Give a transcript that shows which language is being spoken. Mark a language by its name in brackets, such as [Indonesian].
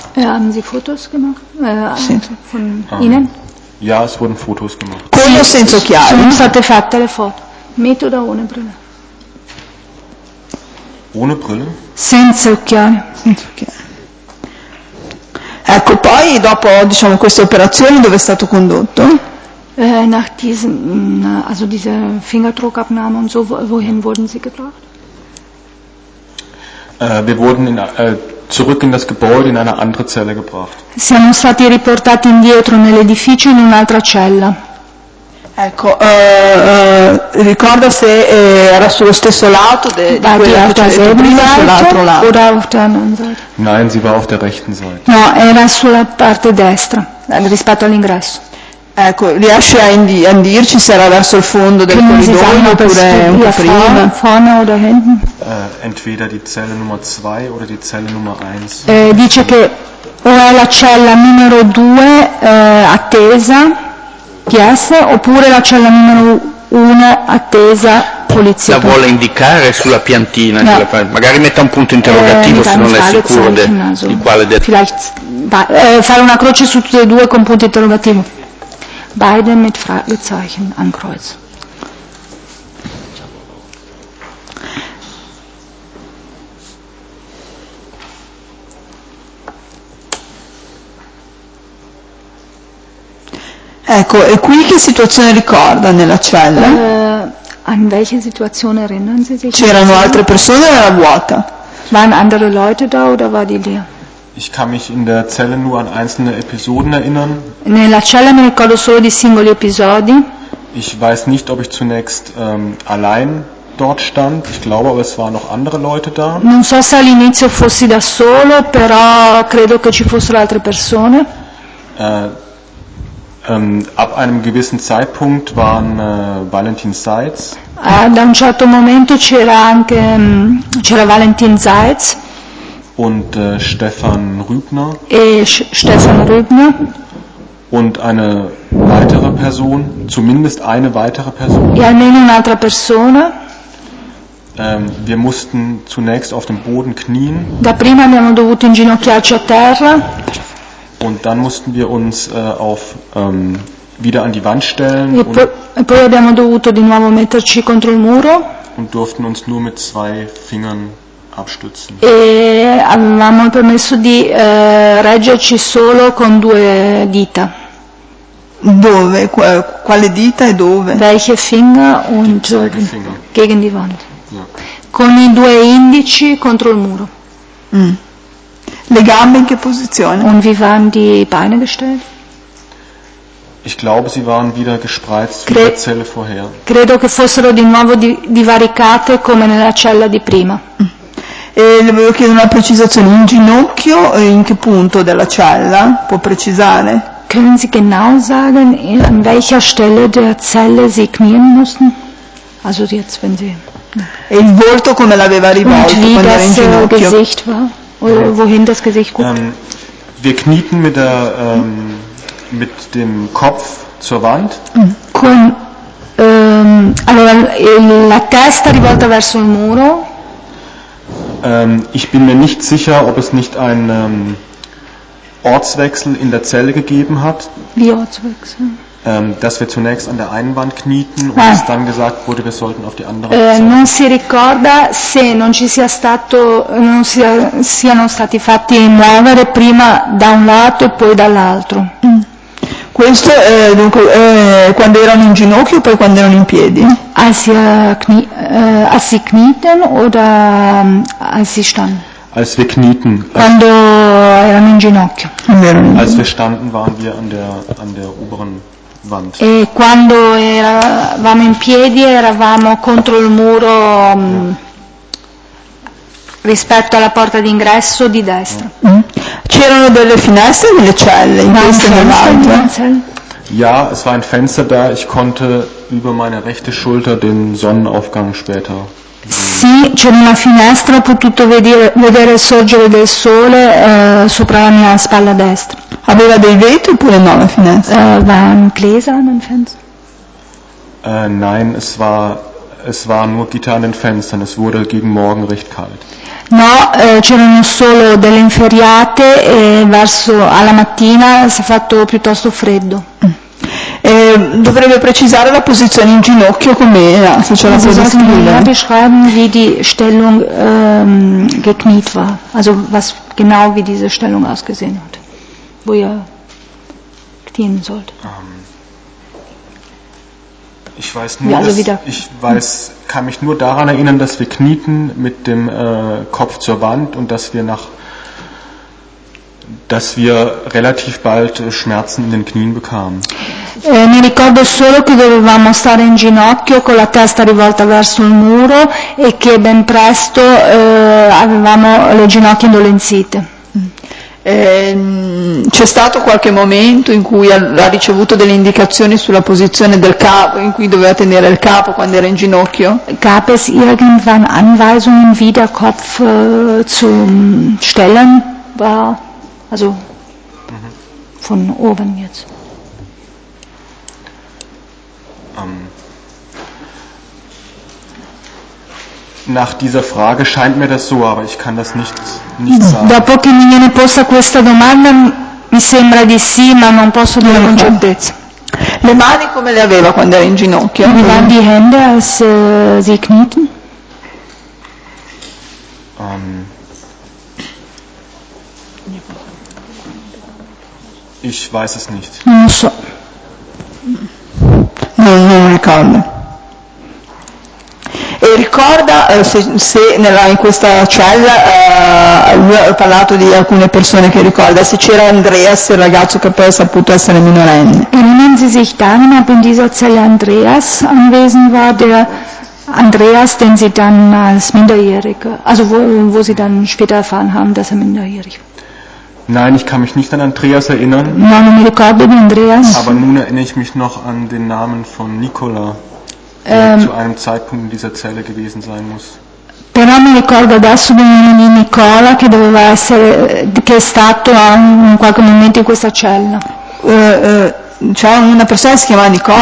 [German] Haben Sie Fotos gemacht? Von Ihnen? Ja, es wurden Fotos gemacht. [Italian] Con o senza occhiali? Sono state fatte le foto. [German] Metodo ohne Brille. Ohne Brille? [Italian] Senza occhiali. Ecco, poi dopo, diciamo, queste operazioni dove è stato condotto? [German] Nach diesem, also diese Fingerdruckabnahme und so, wohin wurden sie gebracht? Wir wurden zurück in das Gebäude, in eine andere Zelle gebracht. [Italian] Siamo stati riportati indietro nell'edificio in un'altra cella. Ecco, ricorda se era sullo stesso lato dell'altro lato. [German] Oder auf der anderen Seite. Nein, sie war auf der rechten Seite. [Italian] No, era sulla parte destra, rispetto all'ingresso. Ecco, riesce a dirci se era verso il fondo del corridoio oppure un po' prima? [German] Vorne oder hinten? Entweder die Zelle Nummer 2 oder die Zelle Nummer 1. [Italian] Dice che O è la cella numero 2 attesa, PS, oppure la cella numero 1 attesa, polizia? La vuole indicare sulla piantina, no. Magari metta un punto interrogativo se non è sicuro di quale del... Fare una croce su tutte e due con punto interrogativo. [German] Beide mit Fragezeichen am Kreuz. [Italian] Ecco, e qui che situazione ricorda nella cella? [German] An welche Situation erinnern Sie sich? [Italian] C'erano altre persone o era vuota? [German] Waren andere Leute da oder war die leer? Ich kann mich in der Zelle nur an einzelne Episoden erinnern. [Italian] Nella cella mi ricordo solo di singoli episodi. [German] Ich weiß nicht, ob ich zunächst allein dort stand. Ich glaube, aber es waren noch andere Leute da. [Italian] Non so se all'inizio fossi da solo, però credo che ci fossero altre persone. [German] Ab einem gewissen Zeitpunkt waren Valentin Seitz. [Italian] Ad un certo momento c'era Valentin Seitz. [German] Und Stefan Rübner. Stefan Rübner. Und eine weitere Person, zumindest eine weitere Person. [Italian] E almeno un'altra persona. [German] Wir mussten zunächst auf dem Boden knien. [Italian] Da prima abbiamo dovuto inginocchiarci a terra. [German] Und dann mussten wir uns auf wieder an die Wand stellen. [Italian] E poi abbiamo dovuto di nuovo metterci contro il muro. [German] Und durften uns nur mit zwei Fingern abstützen. [Italian] E avevamo permesso di reggerci solo con due dita. Dove? Quale dita e dove? [German] Welche Finger und die zwei Finger. Gegen die Wand. Ja. [Italian] Con i due indici contro il muro. Mm. Le gambe in che posizione? [German] Und wie waren die Beine gestellt? Ich glaube, sie waren wieder gespreizt wie in der Zelle vorher. [Italian] Credo che fossero di nuovo divaricate come nella cella di prima. E le volevo chiedere una precisazione, un ginocchio in che punto della cella? Può precisare? [German] Können Sie genau sagen, an welcher Stelle der Zelle Sie knien mussten? Also jetzt, wenn Sie... [Italian] E il volto come l'aveva rivolto quando era in ginocchio? [German] Und wie das Gesicht war? Oder wohin das Gesicht guckt? Wir knieten mit der mit dem Kopf zur Wand. [Italian] Con allora la testa rivolta verso il muro. [German] Ich bin mir nicht sicher, ob es nicht einen Ortswechsel in der Zelle gegeben hat. Wie Ortswechsel? Dass wir zunächst an der einen Wand knieten und es dann gesagt wurde, wir sollten auf die andere. [Italian] Non si ricorda se non ci sia stato, non sia, siano stati fatti muovere prima da un lato e poi dall'altro. Questo dunque quando erano in ginocchio o poi quando erano in piedi? [German] Als sie knieten oder als sie standen? Als wir knieten. [Italian] Quando erano in ginocchio. [German] Als wir standen, waren wir an der oberen Wand. [Italian] E quando eravamo in piedi eravamo contro il muro rispetto alla porta d'ingresso di destra. Mm. C'erano delle finestre nelle celle, in queste nell'altra? [German] Ja, es war ein Fenster da, ich konnte über meine rechte Schulter den Sonnenaufgang später. [Italian] Sì, c'era una finestra, ho potuto vedere sorgere del sole sopra la mia spalla destra. Aveva dei vetri oppure no la finestra? [German] Waren Gläser an den Fenstern? Nein, es war nur Gitter an den Fenstern, es wurde gegen morgen recht kalt. [Italian] No, c'erano solo delle inferriate e verso alla mattina si è fatto piuttosto freddo. Dovrebbe precisare la posizione in ginocchio com'era, se c'è la cosa scritta. [German] Sie beschreiben, wie die Stellung gekniet war, also was genau wie diese Stellung ausgesehen hat, wo ihr knien sollt. Ich weiß nur, kann mich nur daran erinnern, dass wir knieten mit dem Kopf zur Wand und dass wir relativ bald Schmerzen in den Knien bekamen. [Italian] Mi ricordo solo che dovevamo stare in ginocchio con la testa rivolta verso il muro e che ben presto avevamo le ginocchia indolenzite. C'è stato qualche momento in cui ha ricevuto delle indicazioni sulla posizione del capo, in cui doveva tenere il capo quando era in ginocchio? [German] Gab es irgendwann Anweisungen, wie der Kopf zu stellen war? Also von oben jetzt. Nach dieser Frage scheint mir das so, aber ich kann das nicht sagen. [Italian] Dopo che mi viene posta questa domanda, mi sembra di sì, ma non posso dire con certezza. Le mani come le aveva quando era in ginocchio? [German] Wie waren die Hände, als sie knieten? Ich weiß es nicht. [Italian] Non so. Non mi ricordo. E ricorda in questa cella lui ha parlato di alcune persone che ricorda, se c'era Andreas, il ragazzo che poi ha saputo essere minorenne. [German] Erinnern Sie sich daran, ob in dieser Zelle Andreas anwesend war, der Andreas, den Sie dann als Minderjähriger, also wo Sie dann später erfahren haben, dass er minderjährig war? Nein, ich kann mich nicht an Andreas erinnern. [Italian] No, non mi ricordo di Andreas. [German] Aber nun erinnere ich mich noch an den Namen von Nicola. Zu einem Zeitpunkt in dieser Zelle gewesen sein muss. [Italian] Però mi ricordo adesso del nome di Nicola che doveva essere, che è stato in qualche momento in questa cella. C'è una persona che si chiama Nicola.